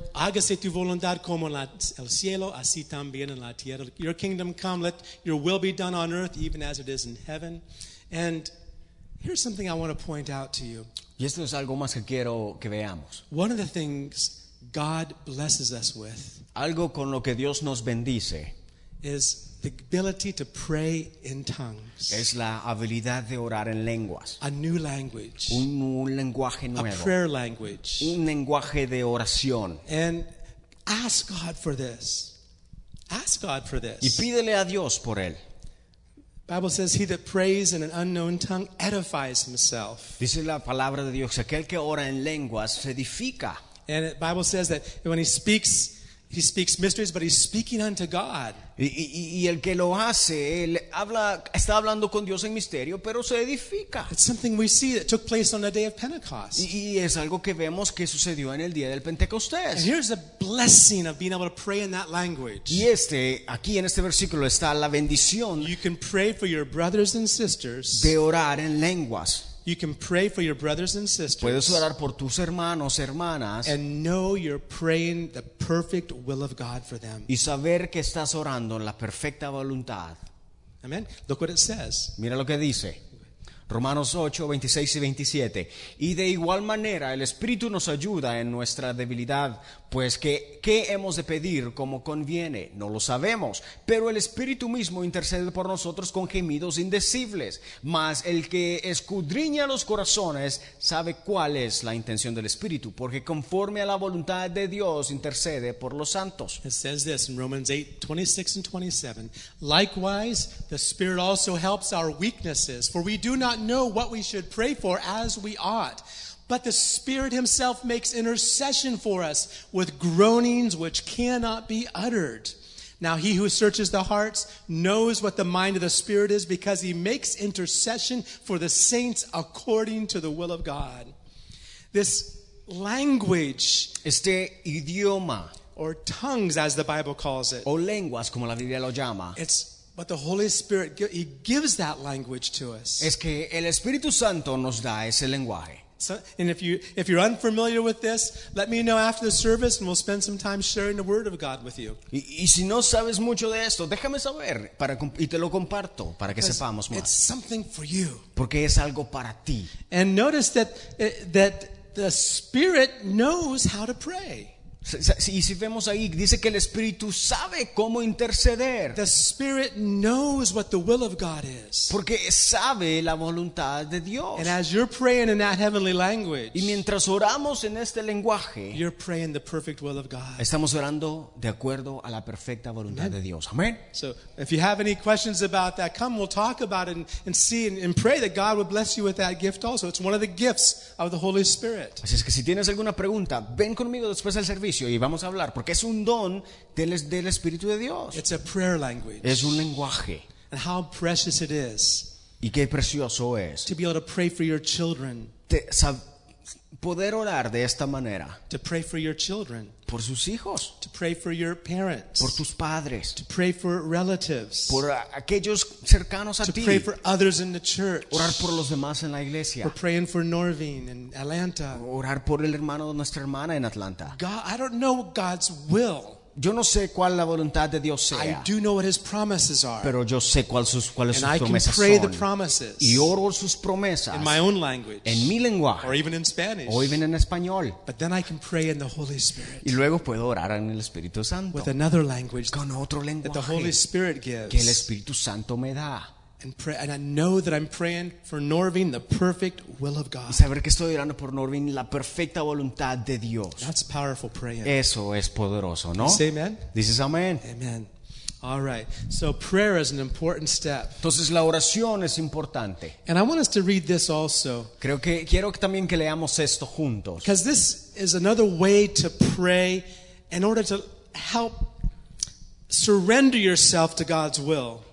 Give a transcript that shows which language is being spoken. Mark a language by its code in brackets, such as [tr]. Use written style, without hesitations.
[es] Hágase tu voluntad como en el cielo, así también en la tierra. [en] Your kingdom come, let your will be done on earth, even as it is in heaven. And here's something I want to point out to you. [es] Y esto es algo más que quiero que veamos. [en] One of the things God blesses us with. [es] Algo con lo que Dios nos bendice. [en] Is the ability to pray in tongues. [es] Es la habilidad de orar en lenguas. [en] A new language. [es] Un lenguaje nuevo. [en] A prayer language. [es] Un lenguaje de oración. [en] And ask God for this. Ask God for this. [es] Y pídele a Dios por él. [en] Bible says he that prays in an unknown tongue edifies himself. [es] Dice la palabra de Dios, aquel que ora en lenguas se edifica. [en] And the Bible says that when he speaks mysteries, but he's speaking unto God. [es] Y el que lo hace, él habla, está hablando con Dios en misterio, pero se edifica. [en] It's something we see that took place on the day of Pentecost. [es] Y es algo que vemos que sucedió en el día del Pentecostés. [en] And here's the blessing of being able to pray in that language. [es] Y aquí en este versículo está la bendición. [en] You can pray for your brothers and sisters. [es] De orar en lenguas. [en] You can pray for your brothers and sisters. [es] Puedes orar por tus hermanos, hermanas. [en] And know you're praying the perfect will of God for them. [es] Y saber que estás orando en la perfecta voluntad. [en] Amen. Look what it says. [es] Mira lo que dice. Romanos 8, 26 y 27. Y de igual manera el Espíritu nos ayuda en nuestra debilidad, pues que ¿qué hemos de pedir como conviene? No lo sabemos, pero el Espíritu mismo intercede por nosotros con gemidos indecibles. Mas el que escudriña los corazones sabe cuál es la intención del Espíritu, porque conforme a la voluntad de Dios intercede por los santos. [en] It says this in Romans 8, 26 and 27. Likewise, the Spirit also helps our weaknesses, for we do not know what we should pray for as we ought. But the Spirit himself makes intercession for us with groanings which cannot be uttered. Now he who searches the hearts knows what the mind of the Spirit is, because he makes intercession for the saints according to the will of God. This language, [es] este idioma, [en] or tongues, as the Bible calls it. [es] O lenguas, como la Biblia lo llama. [en] It's but the Holy Spirit, He gives that language to us. [es] Es que el Espíritu Santo nos da ese lenguaje. [en] So, and if you're unfamiliar with this, let me know after the service, and we'll spend some time sharing the Word of God with you. [es] Y si no sabes mucho de esto, déjame saber para y te lo comparto para que sepamos más. [en] It's something for you. [es] Porque es algo para ti. [en] And notice that the Spirit knows how to pray. [es] Y si vemos ahí, dice que el Espíritu sabe cómo interceder. [en] The Spirit knows what the will of God is. [es] Porque sabe la voluntad de Dios. [en] And as you're praying in that heavenly language, [es] y mientras oramos en este lenguaje, [en] you're praying the perfect will of God. [es] Estamos orando de acuerdo a la perfecta voluntad de Dios. Amén. [en] So if you have any questions about that, come, we'll talk about it and see and pray that God would bless you with that gift also. It's one of the gifts of the Holy Spirit. [es] Así es que si tienes alguna pregunta, ven conmigo después al servicio. Y vamos a hablar porque es un don del Espíritu de Dios. [en] It's a prayer language. [es] Es un lenguaje. [en] And how precious it is. [es] Y qué precioso es. [en] To be able to pray for your children. [es] Poder orar de esta manera. [en] To pray for your children. [es] Por sus hijos. [en] To pray for your parents. [es] Por tus padres. [en] To pray for relatives. [es] Por aquellos cercanos a ti. [en] To pray for others in the church. [es] Orar por los demás en la iglesia. [en] For praying for Norvin in Atlanta. [es] Orar por el hermano de nuestra hermana en Atlanta. [en] God, I don't know God's will. [es] Yo no sé cuál la voluntad de Dios sea. [en] I do know what His promises are. [es] Pero yo sé cuáles [en] and [es] sus [en] I [es] son. [en] The promises [es] y oro sus promesas [en] in my own language. [es] En mi lenguaje. [en] Or even in Spanish. [es] O [en] even [es] en español. [en] But then I can pray in the Holy Spirit. [es] Y luego puedo orar en el Espíritu Santo. [en] With another language. [es] Con otro lenguaje. [en] That the Holy Spirit gives. [es] Que el Espíritu Santo me da. [en] And I know that I'm praying for Norvin, the perfect will of God. [es] Y saber que estoy orando por Norvin, la perfecta voluntad de Dios. [en] That's powerful praying. [es] Eso es poderoso, ¿no? [en] Say amen. [es] Dices amén. [en] Amen. All right. So prayer is an important step. [es] Entonces la oración es importante. [en] And I want us to read this also. [es] Creo que quiero también que leamos esto juntos. [en] Because this is another way to pray in order to help surrender yourself to God's will.